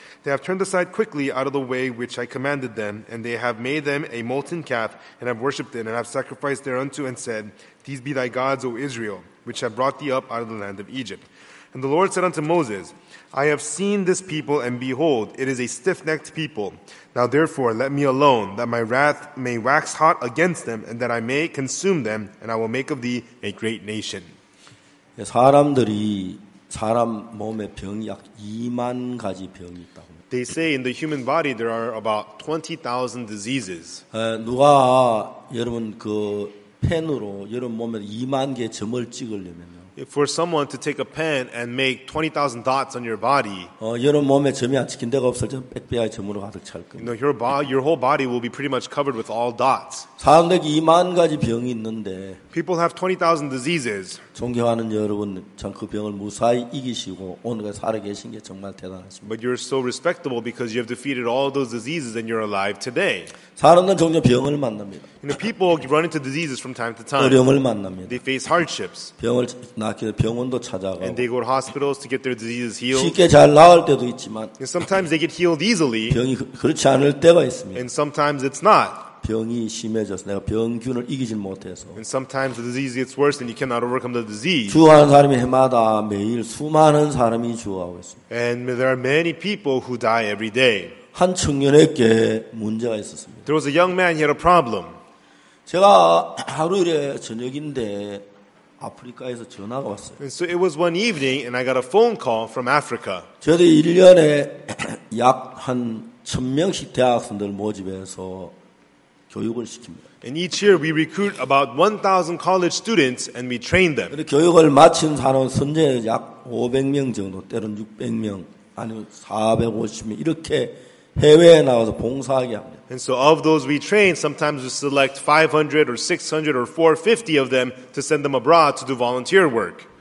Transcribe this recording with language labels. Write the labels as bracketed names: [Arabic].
[English] They have turned aside quickly out of the way which I commanded them, and they have made them a molten calf and have worshipped it and have sacrificed thereunto and said, These be thy gods, O Israel, which have brought thee up out of the land of Egypt. And the Lord said unto Moses, I have seen this people, and behold, it is a stiff-necked people. Now therefore, let me alone, that my wrath may wax hot against them, and that I may consume them, and I will make of thee a great nation. [Korean] 사람들이 사람 몸에 병 약 2만 가지 병이 있다고. [English] They say in the human body there are about 20,000 diseases. [Korean] 누가 여러분 그 펜으로 여러분 몸에 2만 개 점을 찍으려면 [English] For someone to take a pen and make 20,000 dots on your body. [Korean] 여러분 몸에 점이 안 찍힌 데가 없을 때 FBI 점으로 가득 찰 겁니다. [English] Your whole body will be pretty much covered with all dots. [Korean] 사람들에게 2만 가지 병이 있는데. [English] People have 20,000 diseases. [Korean] 존경하는 여러분, 전 그 병을 무사히 이기시고 오늘 살아계신 게 정말 대단하십니다. [English] But you're so respectable because you have defeated all those diseases and you're alive today. [Korean] 사람들은 종종 병을 만납니다. [English] You know, people run into diseases from time to time. [Korean] 어려움을 만납니다. [English] They face hardships. [Korean] 병을 낫게 병원도 찾아가고. [English] And they go to hospitals to get their diseases healed. [Korean] 쉽게 잘 나을 때도 있지만. [English] And sometimes they get healed easily. [Korean] 병이 그렇지 않을 때가 있습니다. [English] And sometimes it's not. [Korean] 병이 심해져서 내가 병균을 이기질 못해서. [English] And sometimes the disease gets worse and you cannot overcome the disease. [Korean] 주하는 사람이 해마다 매일 수많은 사람이 주하고 있습니다. [English] And there are many people who die every day. [Korean] 한 청년에게 문제가 있었습니다. [English] There was a young man, he had a problem. [Korean] 제가 하루 이래 저녁인데 아프리카에서 전화가 왔어요. [English] And so it was one evening and I got a phone call from Africa. [Korean] 저도 1년에 약 한 1,000명씩 대학생들 모집해서 교육을 시킵니다. [English] And each year we recruit about 1,000 college students and we train them. [Korean] 교육을 마친 사람은 현재 약 500명 정도, 때론 600명, 아니면 450명 이렇게 해외에 나와서 봉사하게 합니다. [English] And so of those we train, sometimes we select 500 or 600 or 450 of them to send them abroad to do volunteer work.